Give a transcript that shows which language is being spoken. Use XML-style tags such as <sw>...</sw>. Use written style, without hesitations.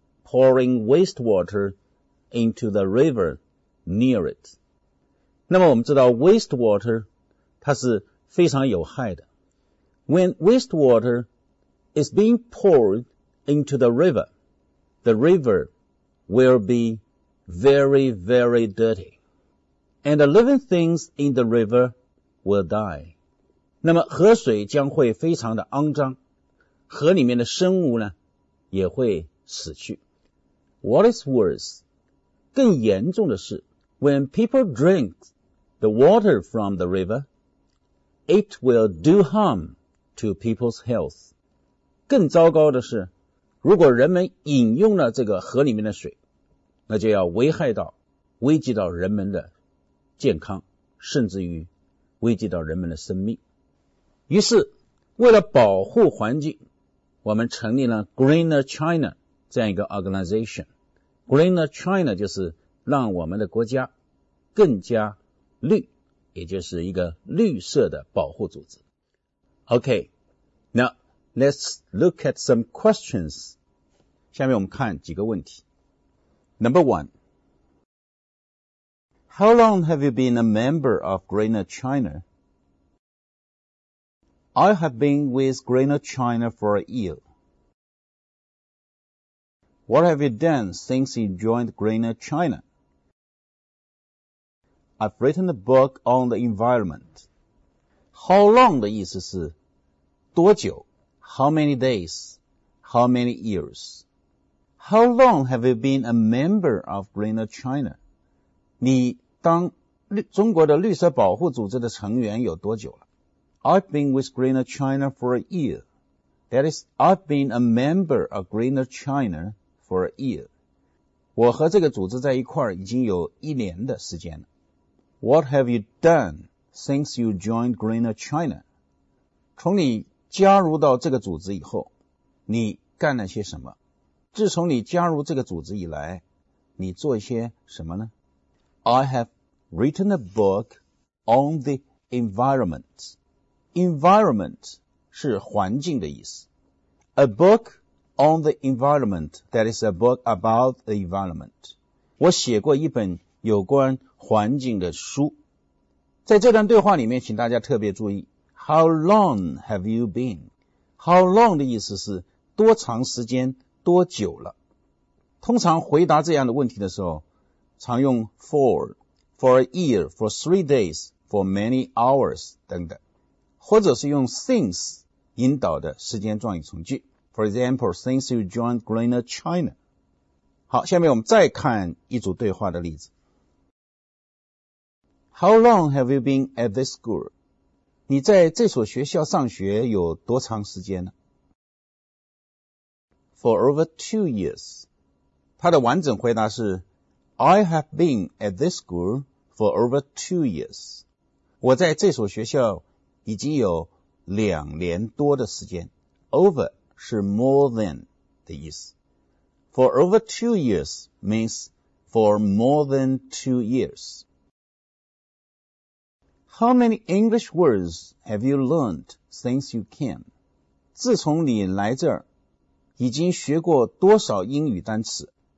<en>pouring wastewater into the river near it</en> <zh>那么我们知道 wastewater 它是非常有害的</zh> <en>when wastewater is being poured into the river will be very, very dirty. And the living things in the river will die.</en> <zh>那么河水将会非常的肮脏。河里面的生物呢也会死去。</zh> <en>What is worse?</en> <zh>更严重的是</zh> <en>when people drink the water from the river, it will do harm to people's health.</en> <zh>更糟糕的是如果人们饮用了这个河里面的水那就要危害到危及到人们的健康，甚至于危及到人们的生命。于是为了保护环境，我们成立了 Greener China 这样一个 organization。 Greener China 就是让我们的国家更加绿，也就是一个绿色的保护组织。</zh> <en>OK, now let's look at some questions.</en> <zh>下面我们看几个问题。</zh> <en>Number one, How long have you been a member of Greener China? I have been with Greener China for a year. What have you done since you joined Greener China? I've written a book on the environment. How long</en> <zh>的意思是多久</zh> <en>?How many days? How many years? How long have you been a member of Greener China?</en> <zh>你当中国的绿色保护组织的成员有多久了</zh> <en>?I've been with Greener China for a year. That is, I've been a member of Greener China for a year.</en> <zh>我和这个组织在一块已经有一年的时间了。</zh> <en>What have you done since you joined Greener China?</en> <zh>从你加入到这个组织以后，你干了些什么？自从你加入这个组织以来，你做一些什么呢？</zh> <en>I have written a book on the environment.</en> <zh>Environment 是环境的意思。</zh> <en>A book on the environment, that is a book about the environment.</en> <zh>我写过一本有关环境的书。在这段对话里面，请大家特别注意</zh> <en>How long have you been? How long</en> <zh>的意思是多长时间多久了。通常回答这样的问题的时候，常用 for</zh> <en>a year, for 3 days, for many hours 等等，</en> <zh>或者是用 since 引导的时间状语从句。</zh> <en>For example, since you joined Greener China.</en> <zh>好，下面我们再看一组对话的例子。</zh> <en>How long have you been at this school?</en> <zh>你在这所学校上学有多长时间呢？</zh> <en>For over 2 years.</en> <zh>他的完整回答是</zh> <en>I have been at this school for over 2 years.</en> <zh>我在这所学校已经有2年多的时间。</zh> <en>Over</en> <zh>是</zh> <en>more than</en> <zh>的意思。</zh> <en>For over 2 years means for more than 2 years. How many English words have you learned since you came?</en> <zh>自从你来这儿，已经学过多少英语单词？</zh>